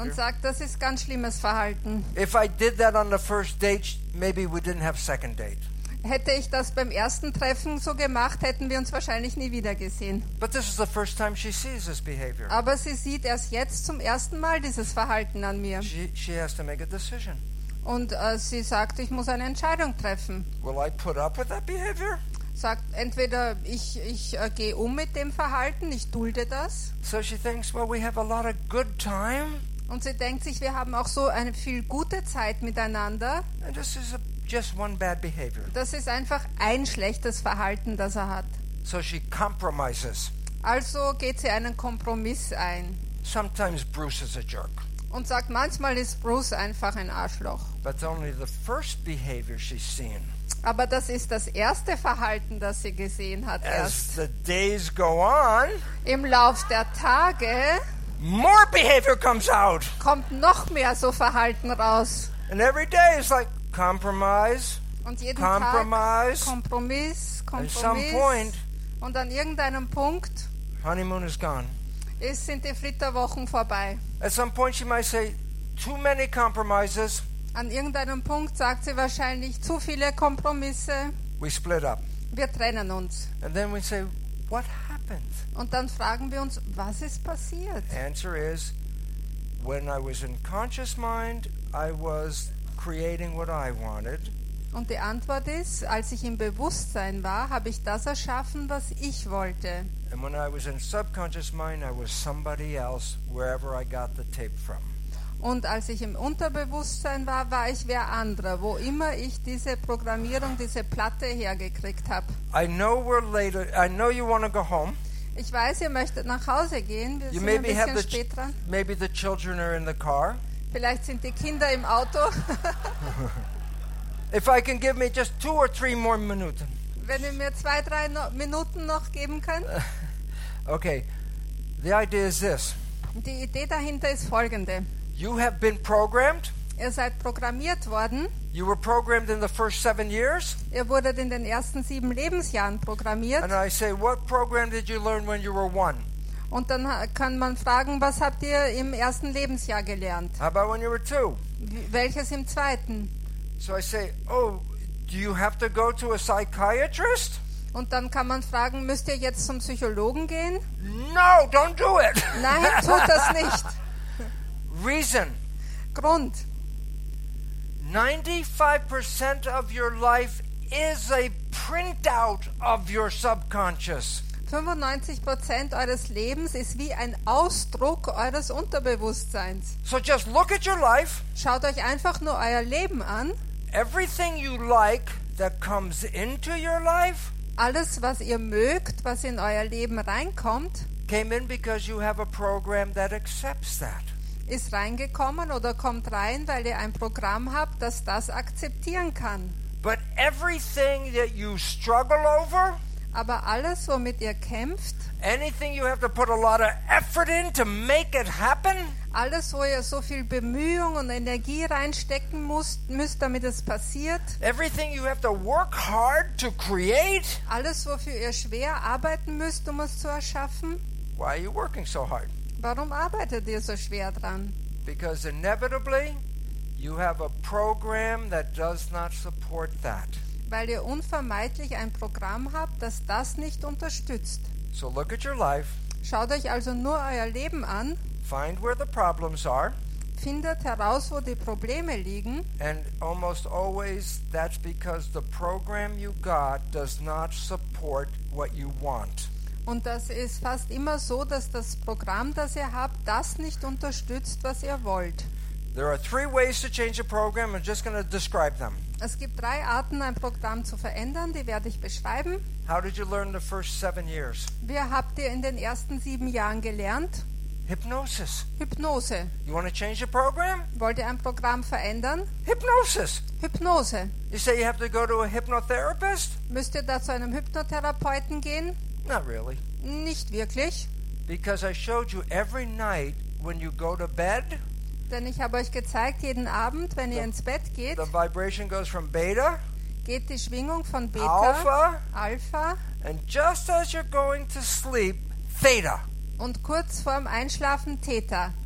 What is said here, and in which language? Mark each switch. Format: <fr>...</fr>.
<de>Und sagt, das ist ganz schlimmes Verhalten.</de> <en>If I did that on the first date, maybe we didn't have second date.</en> <de>Hätte ich das beim ersten Treffen so gemacht, hätten wir uns wahrscheinlich nie wieder gesehen.</de> <en>But this is the first time she sees this behavior.</en> <de>Aber sie sieht erst jetzt zum ersten Mal dieses Verhalten an mir.</de> <en>She has to make a decision.</en> <de>Und sie sagt, ich muss eine Entscheidung treffen.</de> <en>Will I put up with that behavior?</en> <de>Sagt, entweder ich gehe um mit dem Verhalten, ich dulde das.</de> <en>So she thinks, well, we have a lot of good time.</en> <de>Und sie denkt sich, wir haben auch so eine viel gute Zeit miteinander.</de> <en>And this is just one bad behavior.</en> <de>Das ist einfach ein schlechtes Verhalten, das er hat.</de> <en>So she compromises.</en> <de>Also geht sie einen Kompromiss ein.</de> <en>Sometimes Bruce is a jerk.</en> <de>Und sagt, manchmal ist Bruce einfach ein Arschloch.</de> <en>But only the first behavior she's seen.</en> <de>Aber das ist das erste Verhalten, das sie gesehen hat.</de> <en>As</en> <de>erst.</de> <en>The days go on,</en> <de>im Lauf der Tage,</de> <en>more behavior comes out.</en> <de>Kommt noch mehr so Verhalten raus.</de> <en>And every day is like compromise,</en> <de>und jeden</de> <en>compromise,</en> <de>Tag Kompromiss, Kompromiss.</de> <en>At some point,</en> <de>und an irgendeinem Punkt,</de> <en>honeymoon is gone.</en> <de>Es sind die Flitterwochen vorbei.</de> <en>At some point she might say, too many compromises.</en> <de>An irgendeinem Punkt sagt sie wahrscheinlich zu viele Kompromisse.</de> <en>We split up.</en> <de>Wir trennen uns.</de> <en>And then we say, what happened?</en> <de>Und dann fragen wir uns, was ist passiert?</de> <en>The answer is, when I was in conscious mind, I was creating what I wanted.</en> <de>Und die Antwort ist, als ich im Bewusstsein war, habe ich das erschaffen, was ich wollte.</de> <en>And when I was in subconscious mind, I was somebody else, wherever I got the tape from.</en> <de>Und als ich im Unterbewusstsein war, war ich wer anderer, wo immer ich diese Programmierung, diese Platte hergekriegt habe.</de> <en>I know we're late. I know you want to go home.</en> <de>Ich weiß, ihr möchtet nach Hause gehen. Wir</de> <en>you</en> <de>sind ein bisschen spät dran.</de> <en>Maybe the children are in the car.</en> <de>Vielleicht sind die Kinder im Auto.</de> <en>If I can give me just two or three more minutes.</en> <de>Wenn ihr mir zwei, drei Minuten noch geben könnt.</de> <en>Okay. The idea is this.</en> <de>Die Idee dahinter ist folgende.</de> <en>You have been programmed.</en> <de>Ihr seid programmiert worden.</de> <en>You were programmed in the first 7 years.</en> <de>Ihr wurdet in den ersten 7 Lebensjahren programmiert.</de> <en>And I say, what program did you learn when you were one?</en> <de>Und dann kann man fragen, was habt ihr im ersten Lebensjahr gelernt?</de> <en>How about when you were two?</en> <de>Welches im zweiten?</de> <en>So I say, oh, do you have to go to a psychiatrist?</en> <de>Und dann kann man fragen, müsst ihr jetzt zum Psychologen gehen?</de> <en>No, don't do it.</en> <de>Nein, tut das nicht.</de> <en>Reason.</en> <de>Grund.</de> <en>95% of your life is a printout of your subconscious.</en> <de>95% eures Lebens ist wie ein Ausdruck eures Unterbewusstseins.</de> <en>So just look at your life.</en> <de>Schaut euch einfach nur euer Leben an.</de> <en>Everything you like that comes into your life.</en> <de>Alles, was ihr mögt, was in euer Leben reinkommt,</de> <en>came in because you have a program that accepts that.</en> <de>Ist reingekommen oder kommt rein, weil ihr ein Programm habt, das das akzeptieren kann.</de> <en>But everything that you struggle over,</en> <de>aber alles, womit ihr kämpft,</de> <en>anything you have to put a lot of effort in to make it happen,</en> <de>alles, wo ihr so viel Bemühung und Energie reinstecken müsst, damit es passiert,</de> <en>everything you have to work hard to create,</en> <de>alles, wofür ihr schwer arbeiten müsst, um es zu erschaffen,</de> <en>why are you working so hard?</en> <de>Warum arbeitet ihr so schwer dran?</de> <en>Because inevitably you have a program that does not support that.</en> <de>Weil ihr unvermeidlich ein Programm habt, das das nicht unterstützt.</de> <en>So look at your life.</en> <de>Schaut euch also nur euer Leben an.</de> <en>Find where the problems are.</en> <de>Findet heraus, wo die Probleme liegen.</de> <en>And almost always that's because the program you got does not support what you want.</en> <de>Und das ist fast immer so, dass das Programm, das ihr habt, das nicht unterstützt, was ihr wollt.</de> <en>There are three ways to change a program. I'm just going to describe them.</en> <de>Es gibt drei Arten, ein Programm zu verändern. Die werde ich beschreiben.</de> <en>How did you learn the first 7 years?</en> <de>Wie habt ihr in den ersten 7 Jahren gelernt?</de> <en>Hypnosis.</en> <de>Hypnose.</de> <en>You want to change a program?</en> <de>Wollt ihr ein Programm verändern?</de> <en>Hypnosis.</en> <de>Hypnose.</de> <en>You say you have to go to a hypnotherapist?</en> <de>Müsst ihr da zu einem Hypnotherapeuten gehen?</de> <en>Not really.</en> <de>Nicht wirklich.</de> <en>Because I showed you every night when you go to bed.</en> <de>Denn ich habe euch gezeigt, jeden Abend, wenn ihr ins Bett geht.</de> <en>The vibration goes from beta.</en> <de>Geht die Schwingung von Beta.</de> <en>Alpha. And just as you're going to sleep, Theta.</en> <de>Und kurz vorm Einschlafen Theta.</de>